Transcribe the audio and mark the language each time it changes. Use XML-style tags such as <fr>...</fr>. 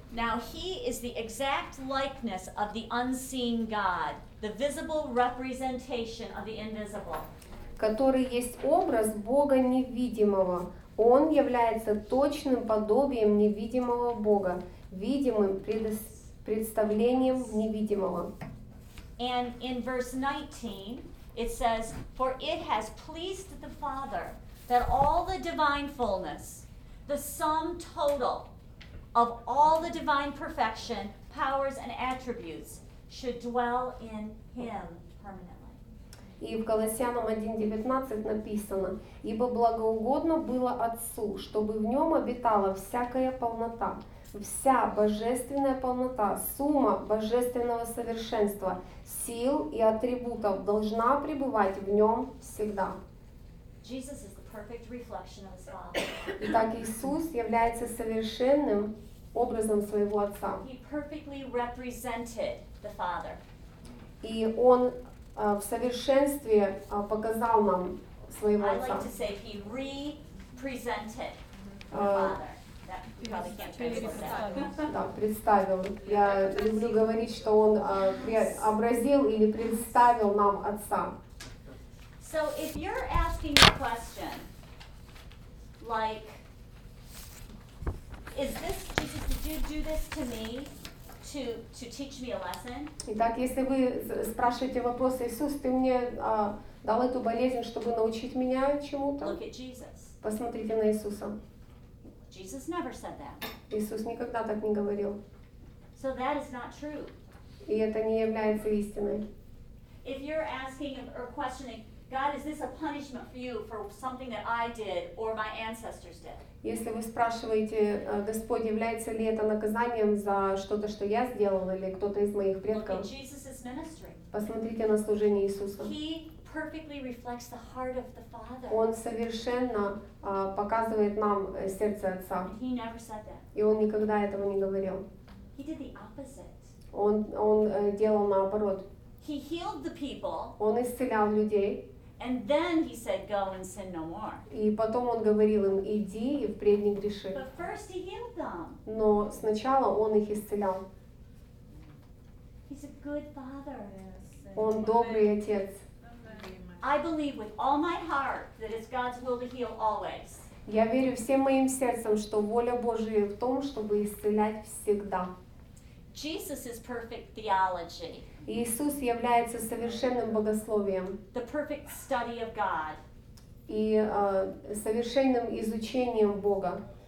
<en>Now he is the exact likeness of the unseen God, the visible representation of the invisible.</en> <ru>Который есть образ Бога невидимого. Он является точным подобием невидимого Бога, видимым представлением невидимого.</ru> <en>And in verse 19. It says, for it has pleased the Father that all the divine fullness, the sum total of all the divine perfection, powers, and attributes should dwell in him permanently.</en> <ru>И в Колоссянам 1:19 написано, ибо благоугодно было Отцу, чтобы в нем обитала всякая полнота, вся божественная полнота, сумма божественного совершенства, сил и атрибутов должна пребывать в нем всегда.</ru> <en>Jesus is the perfect reflection of his Father.</en> <ru>Итак, Иисус является совершенным образом своего Отца.</ru> <en>He perfectly represented the Father.</en> <ru>И он в совершенстве показал нам своего Отца.</ru> <en>I like to say he represented the Father.</en> <ru>Да, представил. Я люблю говорить, что он преобразил или представил нам Отца.</ru> <en>So if you're asking a question like, is this Jesus, did you do this to me to teach me a lesson?</en> <ru>Итак, если вы спрашиваете вопрос, Иисус, ты мне дал эту болезнь, чтобы научить меня чему-то?</ru> <en>Look at Jesus.</en> <ru>Посмотрите на Иисуса.</ru> <en>Jesus never said that.</en> <ru>Иисус никогда так не говорил.</ru> <en>So that is not true.</en> <ru>И это не является истиной.</ru> <en>If you're asking or questioning, God, is this a punishment for you for something that I did or my ancestors did?</en> <ru>Если вы спрашиваете, Господь, является ли это наказанием за что-то, что я сделал или кто-то из моих предков?</ru> <en>Look at Jesus's ministry.</en> <ru>Посмотрите на служение Иисуса.</ru> <en>He perfectly reflects the heart of the Father.</en> <ru>Он совершенно показывает нам сердце Отца.</ru> <en>And he never said that.</en> <ru>И он никогда этого не говорил.</ru> <en>He did the opposite.</en> <ru>Он делал наоборот.</ru> <en>He healed the people.</en> <ru>Он исцелял людей.</ru> <en>And then he said, "Go and sin no more."</en> <ru>И потом он говорил им: "Иди и впредь не греши."</ru> <en>But first he healed them.</en> <ru>Но сначала он их исцелял.</ru> <en>He's a good father. Yes.</en> <ru>Он добрый отец.</ru> <en>I believe with all my heart that it's God's will to heal always.</en> <ru>Я верю всем моим сердцем, что воля Божия в том, чтобы исцелять всегда.</ru> <en>Jesus is perfect theology.</en> <ru>Иисус является совершенным богословием.</ru> <en>The perfect study of God.</en> <ru>И совершенным изучением Бога.</ru>